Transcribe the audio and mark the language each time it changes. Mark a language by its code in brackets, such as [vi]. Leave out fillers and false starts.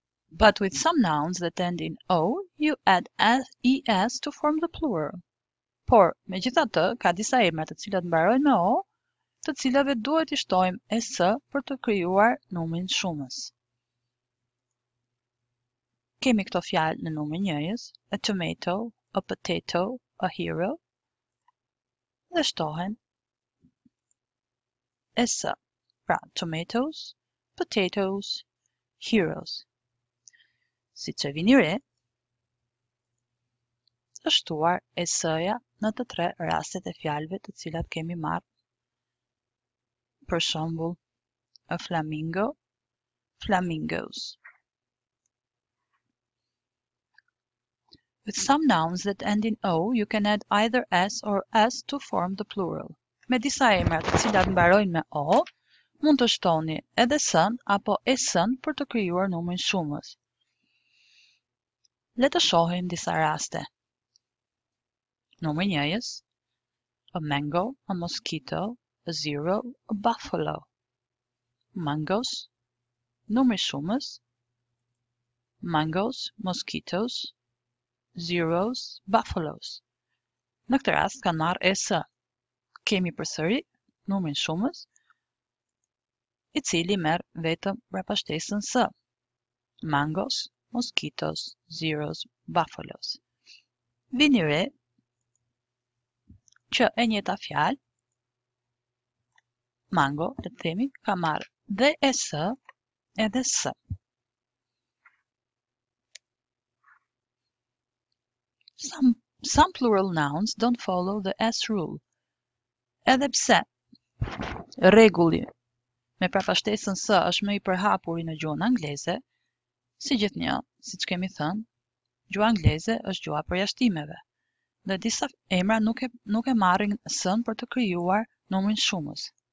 [en] But with some nouns that end in o, you add es to form the plural. [sq] Por, me gjitha të, ka disa emra të cilat mbarojnë me o, të cilave duhet i shtojmë es për të krijuar numrin shumës. Kemi këto fjalë në numrin njëjës, [en] a tomato, a potato, a hero, [sq] dhe shtohen s. [en] Pra, tomatoes, potatoes, heroes. [sq] Si që vini re, është shtuar s-ja në të tre rastet e fjalëve të cilat kemi marrë. Për shembull, [en] a flamingo, flamingos. With some nouns that end in o, you can add either s or s to form the plural. [sq] Me disa emrat të cilat mbarojnë me o, mund të shtoni edhe s-n apo s-n për të krijuar numrin shumës. Le të shohim disa raste. Numri 1 [en] is a mango, a mosquito, a zero, a buffalo. Mangos, [sq] numri shumës. [en] Mangos, mosquitoes. Zeros, buffaloes. [sq] Në këtë rast kanë marrë es. Kemi përsëri numrin shumës, I cili merr vetëm mbrapashtesën s. [en] Mangos, mosquitoes, zeros, buffaloes. [sq] Vini re që e njëjta fjalë mango, le të themi, ka marrë dhe es edhe s. [en] Some plural nouns don't follow the S rule. [sq] Edhe pse rregulli me prapashtesën S është më I përhapur në gjuhën angleze, si gjithnjë, siç kemi thënë, gjuha angleze është gjuha përjashtimeve. Dhe disa emra nuk e marrin S-n për të krijuar numrin shumës.